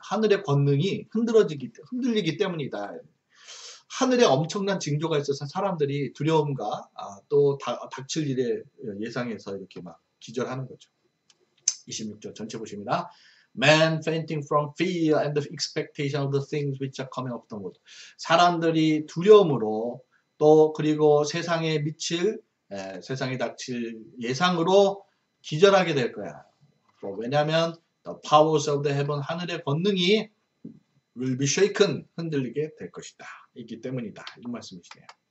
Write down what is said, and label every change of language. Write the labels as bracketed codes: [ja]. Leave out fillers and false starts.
[ko] 하늘의 권능이 흔들리기 때문이다. 하늘에 엄청난 징조가 있어서 사람들이 두려움과 또 닥칠 일에 예상해서 이렇게 막 기절하는 거죠. 26절 전체 보십니다. [en] Man fainting from fear and the expectation of the things which are coming up the world. [ko] 사람들이 두려움으로 또 그리고 세상에 닥칠 예상으로 기절하게 될 거야. 뭐 왜냐하면 [en] the powers of the heaven, [ko] 하늘의 권능이 [en] will be shaken, [ko] 흔들리게 될 것이다. 있기 때문이다. 이 말씀이시네요.